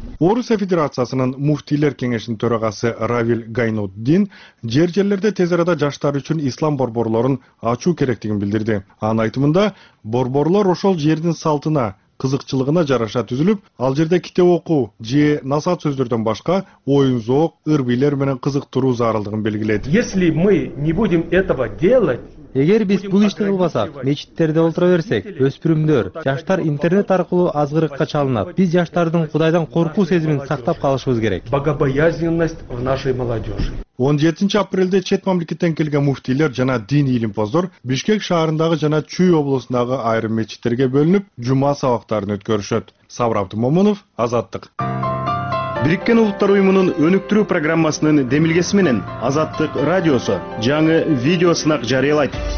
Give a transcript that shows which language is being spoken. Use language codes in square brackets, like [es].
[ky] Орус Федерациясынын муфтилер кеңешинин төрагасы Равиль Гайнуддин жер-жерлерде тез арада жаштар үчүн ислам борборлорун ачуу керектигин билдирди. Анын айтымында борборлор ошол жердин салтына, кызыкчылыгына жараша түзүлүп, ал жерде китеп окуу же насаат сөздөрдөн башка оюн зоок, ыр бийлер менен кызыктыруу зарылдыгын белгиледи. [ru] Если мы не будем этого делать, [ky] эгер биз бул ишти кылбасак, мечиттерде олтура берсек, өспүрүмдөр, жаштар интернет аркылуу азгырыкка чалынат. Биз жаштардын Кудайдан коркуу сезимин сактап калышыбыз керек. [ru] Богобоязненность в нашей молодежи. [ky] 17-апрелде чет мамлекеттен келген муфтилер жана дин илимпоздор Бишкек шаарындагы жана Чүй облусундагы айрым мечиттерге бөлүнүп, жума сабактарын өткөрүшөт. Сабыр Абдымомунов, Азаттык. Бириккен Улуттар Уюмунун өнүктүрүү программасынын демилгеси менен Азаттык радиосу жаңы видео сынак жарыялайт.